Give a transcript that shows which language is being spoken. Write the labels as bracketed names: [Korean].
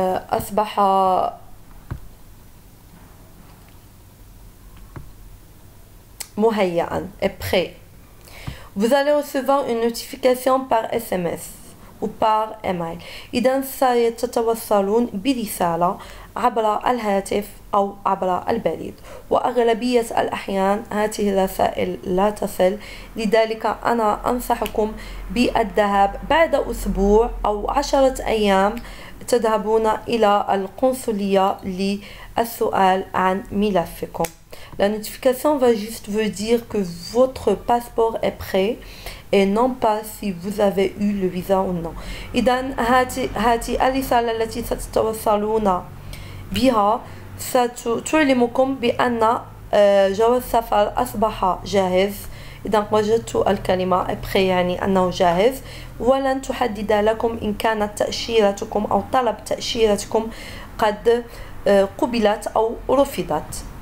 [Arabic] أصبح مهيئا [French] et prêt. Vous allez recevoir une notification par SMS ou par email. [Arabic] إذا ستتوصلون برسالة عبر الهاتف أو عبر البريد. وأغلبية الأحيان هذه الرسائل لا تصل. لذلك أنا أنصحكم بالذهاب بعد أسبوع أو 10 أيام تذهبون إلى القنصلية للسؤال عن ملفكم. [French] La notification va juste vous dire que votre passeport est prêt et non pas si vous avez eu le visa ou non. [Arabic] إذن هاتي الرسالة التي ستتوصلون بها ستعلمكم بأن جواز السفر أصبح جاهز. إذن وجدت الكلمة prêt يعني أنه جاهز ولن تحدد لكم إن كانت تأشيرتكم أو طلب تأشيرتكم قد قبلت أو رفضت.